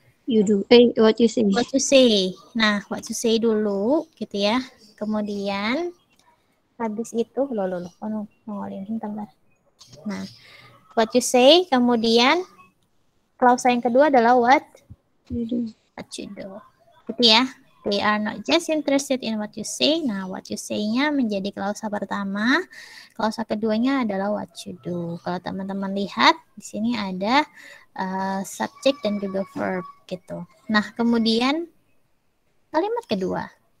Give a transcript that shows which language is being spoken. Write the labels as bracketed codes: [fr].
[en] You do. What you say. What you say. Nah, what you say [id] dulu, gitu ya. Kemudian, habis itu, Nah, [en] what you say, [id] kemudian, klausa yang kedua adalah what? [en] You do. What you do. [id] Gitu ya. [en] They are not just interested in what you say. [id] Nah, [en] what you say-nya [id] menjadi klausa pertama. Klausa keduanya adalah [en] what you do. [id] Kalau teman-teman lihat, di sini ada subject dan juga verb gitu. Nah, kemudian kalimat kedua.